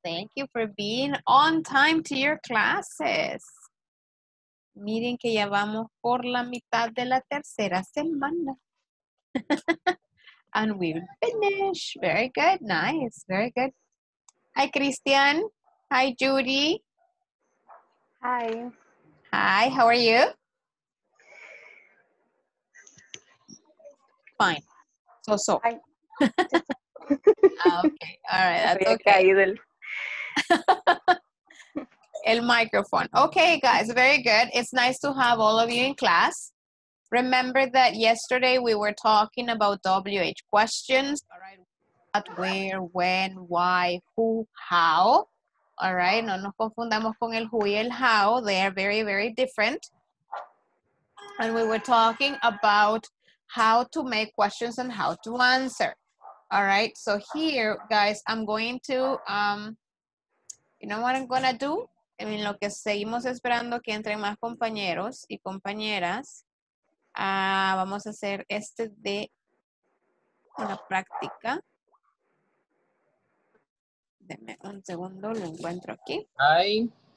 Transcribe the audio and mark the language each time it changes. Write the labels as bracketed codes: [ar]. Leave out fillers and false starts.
[en] Thank you for being on time to your classes. [es] Miren que ya vamos por la mitad de la tercera semana. [en] And we'll finish. Very good. Nice. Very good. Hi, Christian. Hi, Judy. Hi, how are you? Fine. So. Okay, all right, that's okay. El microphone. Okay, guys, very good. It's nice to have all of you in class. Remember that yesterday we were talking about WH questions. All right, what, where, when, why, who, how. All right, [es] no nos confundamos con el who y el how. [en] They are very, very different. And we were talking about how to make questions and how to answer. All right, so here, guys, I'm going to, you know what I'm going to do? I mean, [es] lo que seguimos esperando que entren más compañeros y compañeras, vamos a hacer este de una práctica. Deme un segundo, lo encuentro aquí. [en] Hi.